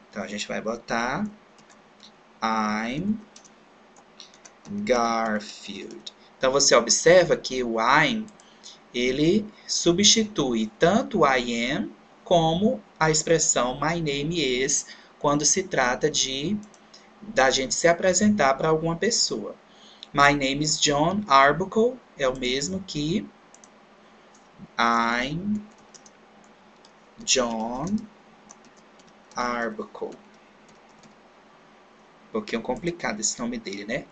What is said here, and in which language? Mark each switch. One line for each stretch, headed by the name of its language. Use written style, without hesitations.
Portuguese: Então, a gente vai botar
English: I'm Garfield.
Portuguese: Então, você observa que o I'm, ele substitui tanto o
English: I am
Portuguese: como a expressão
English: my name is
Portuguese: quando se trata de da gente se apresentar para alguma pessoa.
English: My name is John Arbuckle.
Portuguese: É o mesmo que
English: I'm John Arbuckle.
Portuguese: Um pouquinho complicado esse nome dele, né?